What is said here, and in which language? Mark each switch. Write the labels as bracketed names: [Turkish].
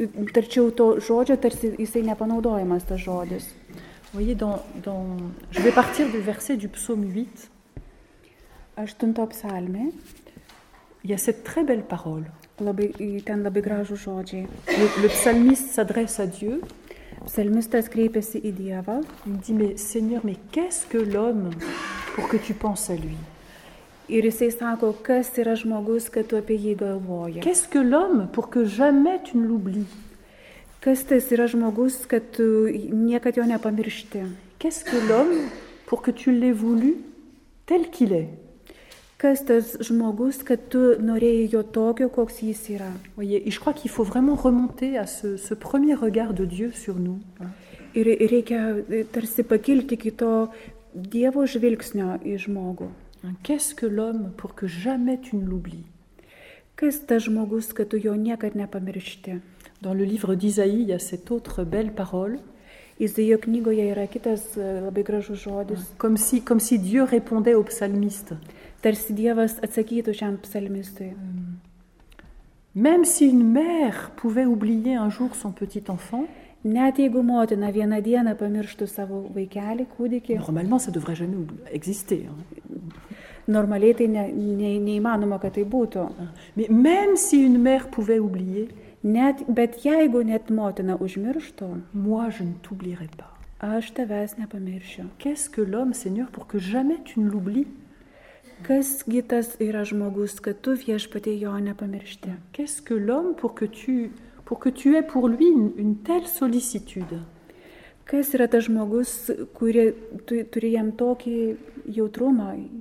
[Lithuanian] Tarčiau to žodžio, tarsi jisai nepanaudojamas, tas žodis. [French] Voyez, dans... Je vais partir du verset du psaume 8. [Lithuanian] Aštunto psalmė. [French] Il y a cette très belle parole. [Lithuanian] Labai, ten labai gražų žodžiai. [French] Le psalmiste s'adresse à Dieu. [Lithuanian] Psalmistas kreipiasi į Dievą. [French] Dit, mais Seigneur, mais qu'est-ce que l'homme pour que tu penses à lui? [Lithuanian] Ir jisai sako, kas yra žmogus, kad tu apie jį galvoji. [French] Qu'est-ce que l'homme pour que jamais tu ne l'oublies? [Lithuanian] Kas tas yra žmogus, kad tu niekad jo nepamiršti? [French] Qu'est-ce que l'homme pour que tu l'aies voulu tel qu'il est? [Lithuanian] Kas tas žmogus, kad tu norėjai jo tokio, koks jis yra? [French] Voyez, je crois qu'il faut vraiment remonter à ce premier regard de Dieu sur nous. [Lithuanian] Ir reikia tarsi pakilti iki to Dievo žvilgsnio į žmogų. [French] Qu'est-ce que l'homme pour que jamais tu ne l'oublies? [Lithuanian] Kas tas žmogus, kad tu jo niekad nepamiršti? [French] Dans le livre d'Isaïe, il y a cette autre belle parole. [Lithuanian] Izaijo knygoje yra kitas labai gražus žodis. [French] Comme si Dieu répondait au psalmiste. [Lithuanian] Tarsi Dievas atsakytų šiam psalmistui. [French] Même si une mère pouvait oublier un jour son petit enfant, [Lithuanian] net jeigu motina vieną dieną pamirštų savo vaikelį, kūdikį. [French] Normalement, ça devrait jamais exister. [Lithuanian] Normaliai tai neįmanoma, kad tai būtų. [French] Mais même si une mère pouvait oublier, [Lithuanian] net, bet jeigu net motina užmirštų, [French] moi je ne t'oublierai pas. [Lithuanian] Aš tavęs nepamiršiu. [French] Qu'est-ce que l'homme, Seigneur, pour que jamais tu ne l'oublies? [Lithuanian] Kasgi tas yra žmogus, kad tu viešpatie jo nepamiršti? [French] Qu'est-ce que l'homme pour que tu aies pour lui une telle sollicitude? [Lithuanian] Kas yra tas žmogus, kurį tu turi jam tokį jautrumą?